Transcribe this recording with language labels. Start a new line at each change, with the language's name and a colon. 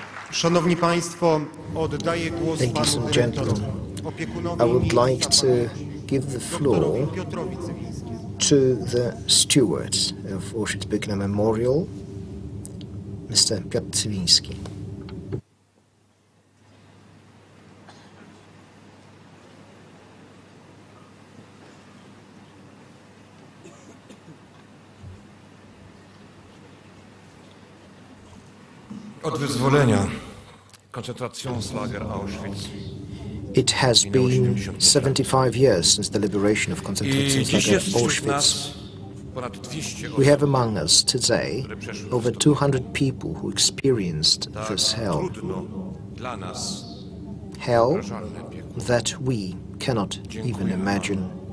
Polish: Szanowni Państwo, oddaję głos
English: Ladies and gentlemen, I would like to give the floor to the steward of Auschwitz-Birkenau Memorial, Mr. Piotr Cywiński.
Polish: Od wyzwolenia koncentracjonslager Auschwitz.
English: It has been 75 years since the liberation of concentration camp Auschwitz. We have among us today over 200 people who experienced this hell. Hell that we cannot even imagine.